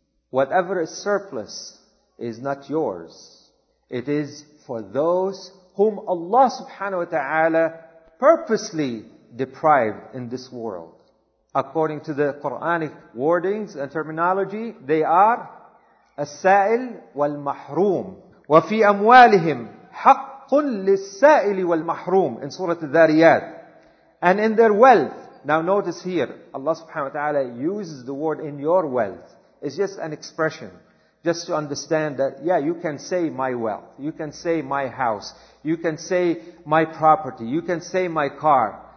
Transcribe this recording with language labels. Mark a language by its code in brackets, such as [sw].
[en] Whatever is surplus is not yours. It is for those whom Allah subhanahu wa ta'ala purposely deprived in this world. According to the Quranic wordings and terminology, they are as-sa'il wal-mahroom. [ar] وَفِي أَمْوَالِهِمْ حَقٌّ لِلسَّائِلِ وَالْمَحْرُومِ [en] in Surah Al-Dhariyat. And in their wealth, now notice here, Allah subhanahu wa ta'ala uses the word in your wealth. It's just an expression. Just to understand that, yeah, you can say my wealth, you can say my house, you can say my property, you can say my car.